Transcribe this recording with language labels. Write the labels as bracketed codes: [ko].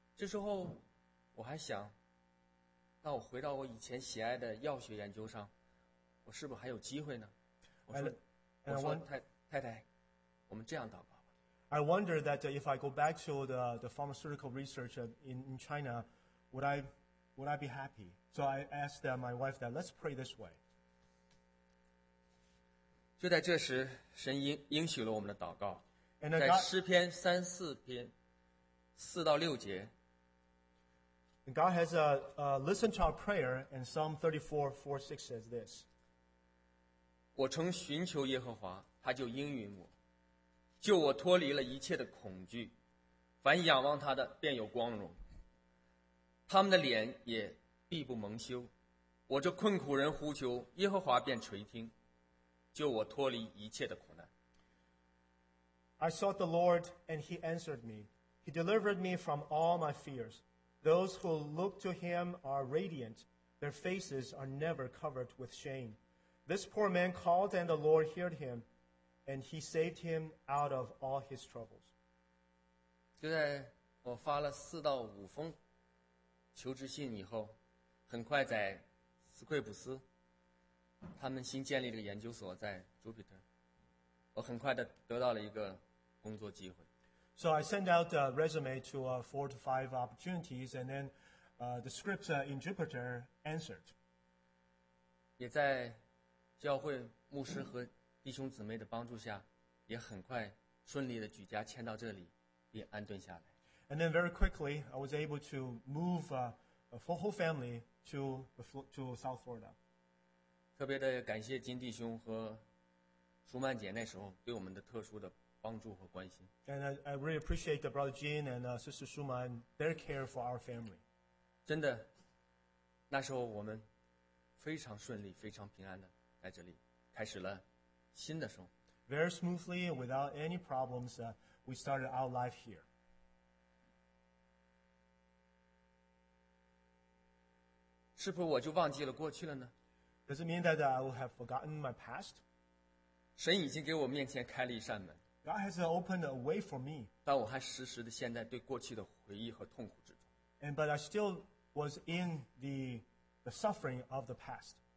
[zh] 这时候我还想，那我回到我以前喜爱的药学研究上，我是不是还有机会呢？我说太太，我们这样祷告吧。 [en] I wonder that if I go back to the pharmaceutical research in China, would I be happy? So I asked my wife that let's pray this way. [zh] 就在这时，神应许了我们的祷告，在诗篇三四篇四到六节。 [en] And God has listened to our prayer, and Psalm 34, 4, 6 says this. [zh] 我曾寻求耶和华，他就应允我，救我脱离了一切的恐惧。凡仰望他的，便有光荣。他们的脸也必不蒙羞。我这困苦人呼求，耶和华便垂听，救我脱离一切的苦难。 [en] I sought the Lord, and he answered me. He delivered me from all my fears. Those who look to him are radiant. Their faces are never covered with shame. This poor man called and the Lord heard him, and he saved him out of all his troubles. [zh] 就在我发了四到五封求职信以后，很快在斯奎普斯，他们新建立的研究所在 Jupiter， 我很快的得到了一个工作机会。 [en] So I sent out a resume to four to five opportunities, and then the script in Jupiter answered. [zh] 也在教会牧师和弟兄姊妹的帮助下，也很快顺利的举家迁到这里，并安顿下来。 [en] And then very quickly, I was able to move a whole family to South Florida. [zh] 特别的感谢金弟兄和舒曼姐那时候对我们的特殊的。 [en] And I really appreciate the brother Jean and sister Suman their care for our family. [zh] 真的，那时候我们非常顺利、非常平安的在这里开始了新的生活。 [en] Very smoothly, without any problems, we started our life here. [zh] 是不是我就忘记了过去了呢 [en] ？Does it mean that I will have forgotten my past? [zh] 神已经给我面前开了一扇门。 [en] God has opened a way for me. [zh] 但我还时时的陷在对过去的回忆和痛苦之中。 [en] And but I still was in the suffering of the past.